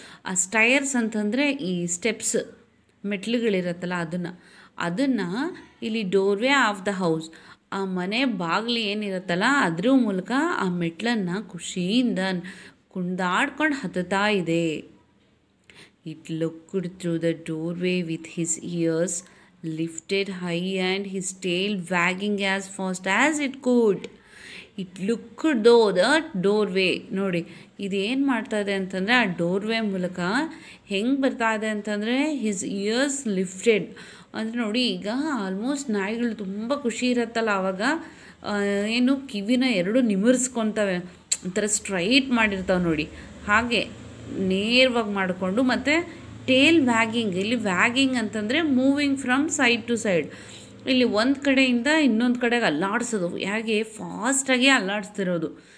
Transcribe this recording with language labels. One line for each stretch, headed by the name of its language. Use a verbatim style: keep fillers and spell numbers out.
Kannada: ಆ ಸ್ಟೈರ್ಸ್ ಅಂತಂದರೆ ಈ ಸ್ಟೆಪ್ಸ್ ಮೆಟ್ಲುಗಳಿರತ್ತಲ್ಲ ಅದನ್ನು, ಅದನ್ನು ಇಲ್ಲಿ
English: doorway of the house,
Kannada: ಆ ಮನೆ ಬಾಗಿಲು ಏನಿರುತ್ತಲ್ಲ ಅದ್ರ ಮೂಲಕ ಆ ಮೆಟ್ಲನ್ನು ಖುಷಿಯಿಂದ ಕುಣಿದಾಡ್ಕೊಂಡು ಹತ್ತುತ್ತಾ ಇದೆ.
English: It looked through the doorway with his ears lifted high and his tail wagging as fast as it could. It looked through the doorway.
Kannada: ನೋಡಿ, ಇದೇನು ಮಾಡ್ತಾ ಇದೆ ಅಂತಂದರೆ ಆ ಡೋರ್ವೇ ಮೂಲಕ ಹೆಂಗೆ ಬರ್ತಾ ಇದೆ ಅಂತಂದರೆ
English: his ears lifted
Kannada: ಅಂದರೆ ನೋಡಿ, ಈಗ ಆಲ್ಮೋಸ್ಟ್ ನಾಯಿಗಳು ತುಂಬ ಖುಷಿ ಇರುತ್ತಲ್ಲ ಆವಾಗ ಏನು ಕಿವಿನ ಎರಡು ನಿಮಿರ್ಸ್ಕೊತವೆ, ಒಂಥರ ಸ್ಟ್ರೈಟ್ ಮಾಡಿರ್ತಾವೆ ನೋಡಿ, ಹಾಗೆ ನೇರವಾಗಿ ಮಾಡಿಕೊಂಡು, ಮತ್ತು ಟೇಲ್ ವ್ಯಾಗಿಂಗ್, ಇಲ್ಲಿ ವ್ಯಾಗಿಂಗ್ ಅಂತಂದರೆ
English: moving from side to side,
Kannada: ಇಲ್ಲಿ ಒಂದು ಕಡೆಯಿಂದ ಇನ್ನೊಂದು ಕಡೆಗೆ ಅಲ್ಲಾಡಿಸೋದು, ಹೇಗೆ ಫಾಸ್ಟಾಗಿ ಅಲ್ಲಾಡಿಸ್ತಿರೋದು.